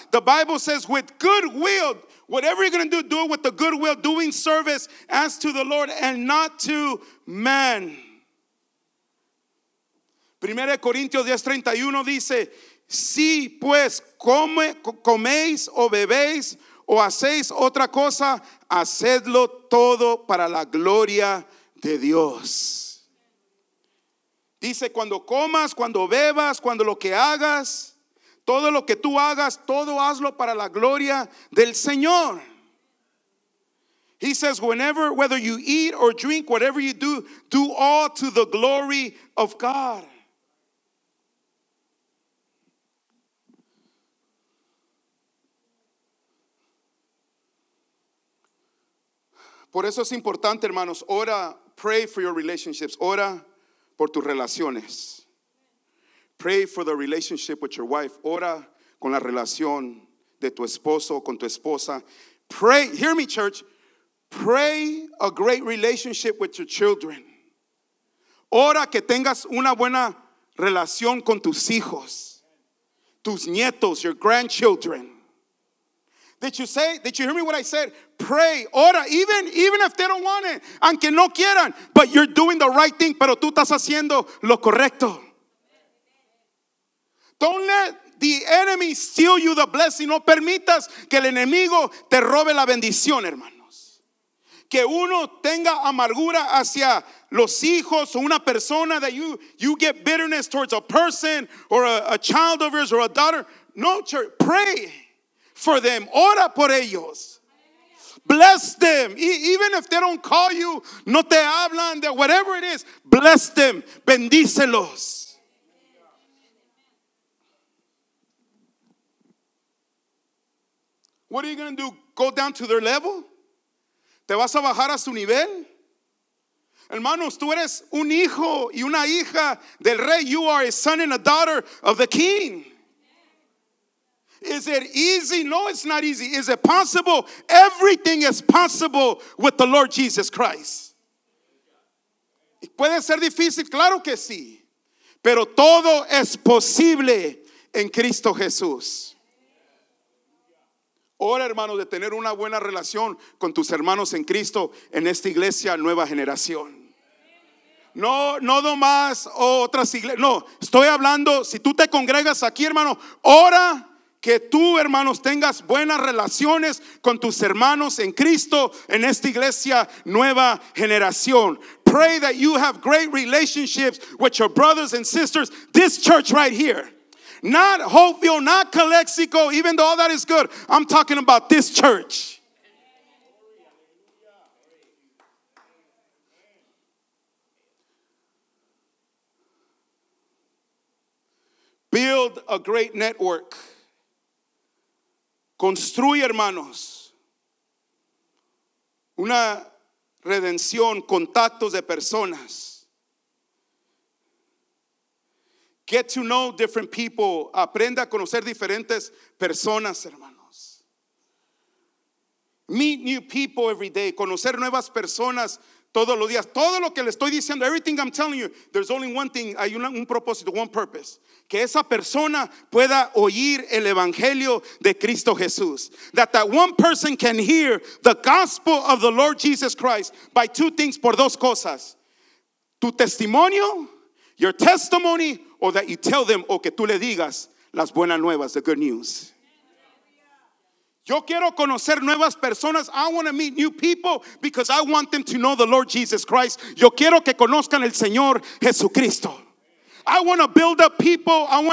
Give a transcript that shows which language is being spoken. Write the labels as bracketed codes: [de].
[en] The Bible says, with good will, whatever you're going to do, do it with the good will, doing service as to the Lord and not to men. [es] 1 Corintios 10:31 dice, si pues coméis o bebéis o hacéis otra cosa, hacedlo todo para la gloria de Dios. Dice, cuando comas, cuando bebas, cuando lo que hagas, todo lo que tú hagas, todo hazlo para la gloria del Señor. [en] He says, whether you eat or drink, whatever you do, do all to the glory of God. [es] Por eso es importante, hermanos, ora, [en] pray for your relationships, [es] ora por tus relaciones. [en] Pray for the relationship with your wife, [es] ora con la relación de tu esposo o con tu esposa. [en] Pray, hear me, church. Pray a great relationship with your children. [es] Ora que tengas una buena relación con tus hijos, tus nietos, [en] your grandchildren. Did you hear me what I said? Pray, [es] ora, [en] even if they don't want it, [es] aunque no quieran, [en] but you're doing the right thing, [es] pero tú estás haciendo lo correcto. [en] Don't let the enemy steal you the blessing. [es] No permitas que el enemigo te robe la bendición, hermanos. Que uno tenga amargura hacia los hijos o una persona, [en] that you get bitterness towards a person or a child of yours or a daughter. No, church, pray for them. [es] Ora por ellos. [en] Bless them. Even if they don't call you, [es] no te hablan, de [en] whatever it is, bless them. [es] Bendícelos. [en] What are you going to do? Go down to their level? [es] ¿Te vas a bajar a su nivel? Hermanos, tú eres un hijo y una hija del rey. [en] You are a son and a daughter of the king. Is it easy? No, it's not easy. Is it possible? Everything is possible with the Lord Jesus Christ. [es] ¿Puede ser difícil? Claro que sí. Pero todo es posible en Cristo Jesús. Ora, hermanos, de tener una buena relación con tus hermanos en Cristo en esta iglesia nueva generación. No más otras iglesias. No, estoy hablando, si tú te congregas aquí, hermano, ora que tú, hermanos, tengas buenas relaciones con tus hermanos en Cristo en esta iglesia nueva generación. [en] Pray that you have great relationships with your brothers and sisters, this church right here. Not Hopeville, not Calexico, even though all that is good. I'm talking about this church. Build a great network. [es] Construye, hermanos, una redención, contactos de personas. [en] Get to know different people. [es] Aprenda a conocer diferentes personas, hermanos. [en] Meet new people every day. [es] Conocer nuevas personas todos los días. Todo lo que le estoy diciendo, [en] everything I'm telling you, [es] there's only one thing, hay un propósito, [en] one purpose. [es] Que esa persona pueda oír el evangelio de Cristo Jesús. [en] That one person can hear the gospel of the Lord Jesus Christ by two things, [es] por dos cosas. Tu testimonio, [en] your testimony, or that you tell them, [es] o que tú le digas las buenas nuevas, [en] the good news. [es] Yo quiero conocer nuevas personas. [en] I want to meet new people because I want them to know the Lord Jesus Christ. [es] Yo quiero que conozcan el Señor Jesucristo. [en] I want to build up people.